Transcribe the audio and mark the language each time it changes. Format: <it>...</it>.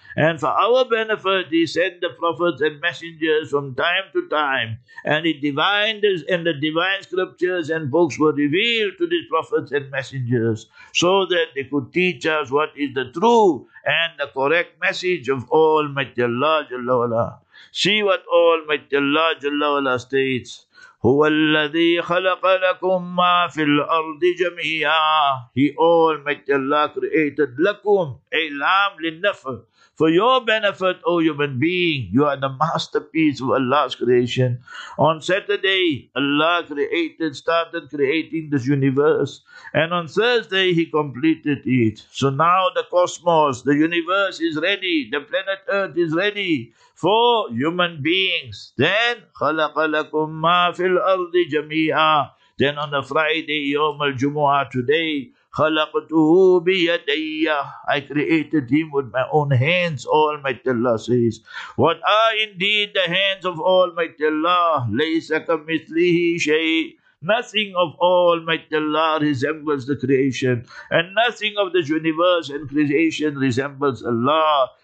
<en>And for our benefit, he sent the prophets and messengers from time to time. And he divined, and the divine scriptures and books were revealed to these prophets and messengers so that they could teach us what is the true and the correct message of Almighty Allah Jalla Wala. See what Almighty Allah Jalla Wala states.</en> <ar>هو الذي خلق لكم ما في الأرض جميعا.</ar> <en>He Almighty Allah created</en> <ar>لكم إلام للنفع.</ar> <en>For your benefit, O human being, you are the masterpiece of Allah's creation. On Saturday, Allah created, started creating this universe. And on Thursday, he completed it. So now the cosmos, the universe is ready. The planet Earth is ready for human beings. Then,</en> <ar>خَلَقَ لَكُمْ مَا فِي الْأَرْضِ جَمِيعًا.</ar> <en>Then on the Friday,</en> <ar>يوم الجمعة,</ar> <en>today,</en> <ar>خَلَقْتُهُ بِيَدَيَّ.</ar> <en>I created him with my own hands, Almighty Allah says. What are indeed the hands of Almighty Allah?</en> <ar>لَيْسَ كَمِثْلِهِ شَيْءٍ.</ar> <en>Nothing of Almighty Allah resembles the creation. And nothing of this universe and creation resembles Allah.</en>